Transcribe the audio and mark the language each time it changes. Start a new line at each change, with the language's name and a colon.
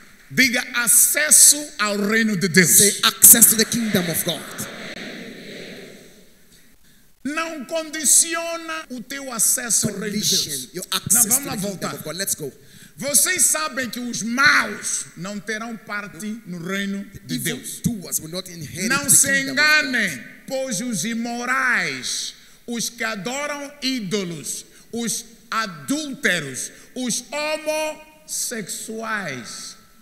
Portuguese: Diga acesso ao reino de Deus.
English: Say access to the kingdom of God.
Portuguese: Não condiciona o teu acesso ao reino de Deus. Não, vamos lá voltar.
English: Let's go.
Portuguese: Vocês sabem que os maus não terão parte no reino de Deus. Não se enganem, pois os imorais, os que adoram ídolos, os adúlteros, os homossexuais.